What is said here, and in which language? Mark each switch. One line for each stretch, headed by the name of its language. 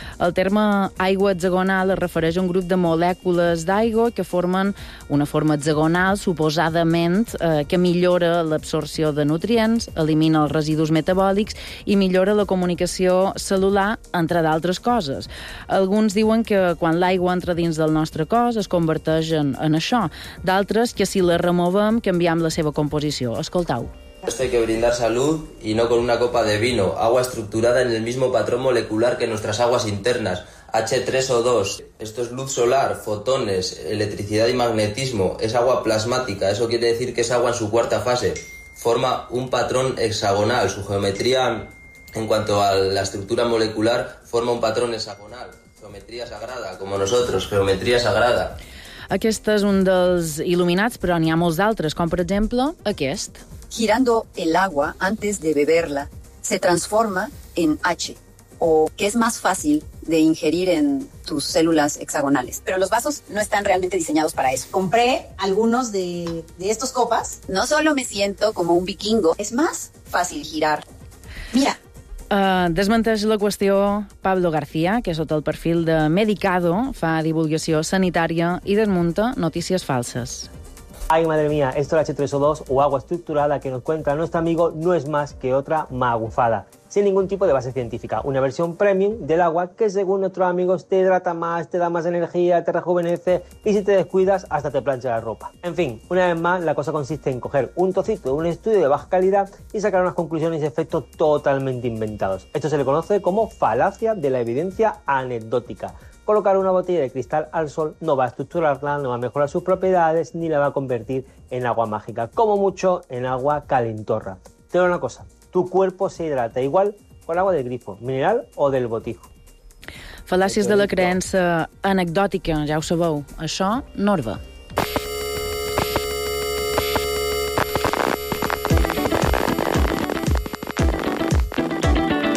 Catalan: El terme aigua hexagonal es refereix a un grup de molècules d'aigua que formen una forma hexagonal, suposadament, que millora l'absorció de nutrients, elimina els residus metabòlics i millora la comunicació celular, entre d'altres coses. Alguns diuen que quan l'aigua entra dins del nostre cos es converteix en això. D'altres, que si la removem, canviem la seva composició. Escoltau.
Spanish: Esto hay que brindar salud y no con una copa de vino. Agua estructurada en el mismo patrón molecular que nuestras aguas internas. H3O2, esto es luz solar, fotones, electricidad y magnetismo, es agua plasmática, eso quiere decir que es agua en su cuarta fase, forma un patrón hexagonal, su geometría en cuanto a la estructura molecular forma un patrón hexagonal, geometría sagrada, como nosotros, geometría sagrada.
Catalan: Aquest és un dels il·luminats, però n'hi ha molts d'altres, com per exemple aquest.
Spanish: Girando el agua antes de beberla, se transforma en H, o que es más fácil de ingerir en tus células hexagonales. Pero los vasos no están realmente diseñados para eso. Compré algunos de estos copas. No solo me siento como un vikingo, es más fácil girar. Mira.
Catalan: Desmenteix la qüestió Pablo García, que sota el perfil de Medicado fa divulgació sanitària i desmunta notícies falses.
Spanish: Ay, madre mía, esto del H3O2 o agua estructurada que nos cuenta nuestro amigo no es más que otra magufada, sin ningún tipo de base científica. Una versión premium del agua que, según nuestros amigos, te hidrata más, te da más energía, te rejuvenece y si te descuidas, hasta te plancha la ropa. En fin, una vez más, la cosa consiste en coger un trocito de un estudio de baja calidad y sacar unas conclusiones y efectos totalmente inventados. Esto se le conoce como falacia de la evidencia anecdótica. Colocar una botella de cristal al sol no va a estructurarla, no va a mejorar sus propiedades ni la va a convertir en agua mágica, como mucho en agua calentorra. Pero una cosa, tu cuerpo se hidrata igual con agua del grifo, mineral o del botijo.
Catalan: Falàcies de la creença anecdòtica, ja ho sabeu, això no arriba.
English: We'll be right back.